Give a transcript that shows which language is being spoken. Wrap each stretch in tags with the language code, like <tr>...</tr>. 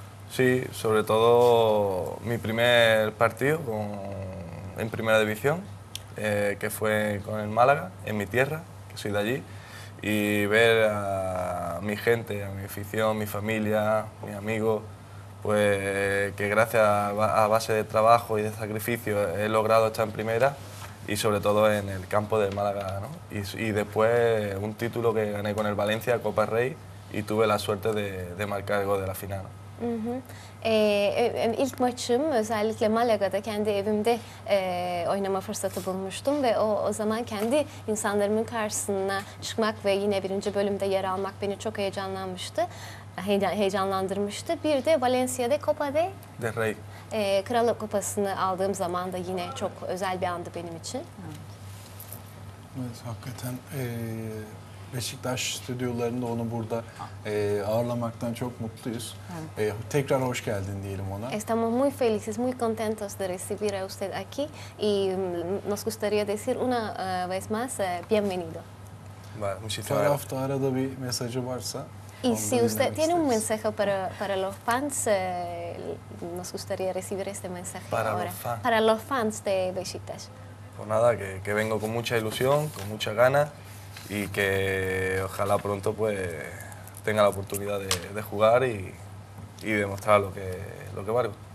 <es>Sí, sobre todo mi primer partido en primera división, que fue con el Málaga, en mi tierra, que soy de allí, y ver a mi gente, a mi afición, mi familia, mis amigos, pues que gracias a base de trabajo y de sacrificio he logrado estar en primera y sobre todo en el campo del Málaga, ¿no? Y después un título que gané con el Valencia, Copa Rey, y tuve la suerte de marcar el gol de la final.</es> <tr>İlk maçım özellikle Malaga'da kendi evimde oynama fırsatı bulmuştum ve o zaman kendi insanlarımın karşısına çıkmak ve yine birinci bölümde yer almak beni çok heyecanlandırmıştı. Bir de Valencia'da Copa</tr> <es>de Rey.</es> <tr>Krallık Kupası'nı aldığım zaman da yine çok özel bir andı benim için. Evet, hakikaten Beşiktaş stüdyolarında onu burada ağırlamaktan çok mutluyuz. Tekrar hoş geldin diyelim ona.</tr> <es>Estamos muy felices, muy contentos de recibir a usted aquí y nos gustaría decir una vez más bienvenido.</es> <tr>Taraftara da bir mesajı varsa.</tr> <es>Y si usted tiene un mensaje para los fans, nos gustaría recibir este mensaje para ahora. Para los fans de Beşiktaş. Pues nada, que vengo con mucha ilusión, con mucha ganas y que ojalá pronto pues tenga la oportunidad de jugar y demostrar lo que valgo.</es>